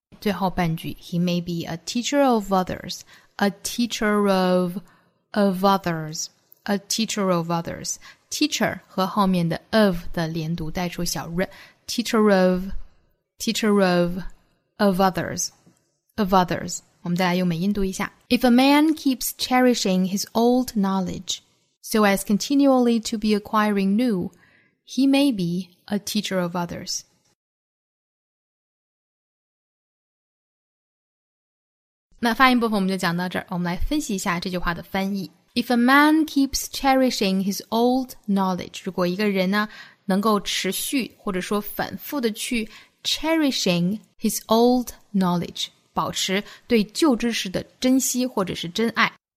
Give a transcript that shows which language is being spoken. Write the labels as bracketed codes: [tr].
[zh] 最后半句 [en] He may be a teacher of others. A teacher of others. [zh] Teacher 和后面的 of 的连读带出小 r. [en] Teacher of others. [zh] 我们再来用美音读一下。 [en] If a man keeps cherishing his old knowledge, so as continually to be acquiring new, he may be a teacher of others. [zh] 那发音部分我们就讲到这儿，我们来分析一下这句话的翻译。 [en] If a man keeps cherishing his old knowledge, [zh] 如果一个人呢能够持续或者说反复的去 [en] cherishing his old knowledge, [zh] 保持对旧知识的珍惜或者是珍爱。